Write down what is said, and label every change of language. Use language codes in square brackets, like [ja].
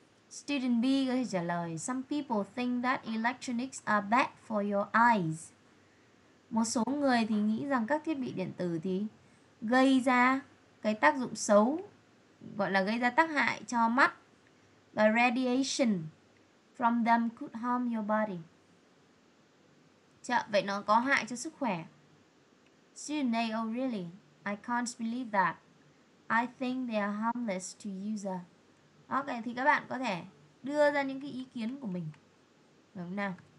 [en] Student B [vi] có thể trả lời: [en] Some people think that electronics are bad for your eyes. [vi] Một số người thì nghĩ rằng các thiết bị điện tử thì gây ra cái tác dụng xấu, gọi là gây ra tác hại cho mắt. [en] The radiation from them could harm your body. [vi] Chợ, vậy nó có hại cho sức khỏe. Student A, [en] oh really? I can't believe that. I think they are harmless to user. [vi] Ok, thì các bạn có thể đưa ra những cái ý kiến của mình. Đúng nào.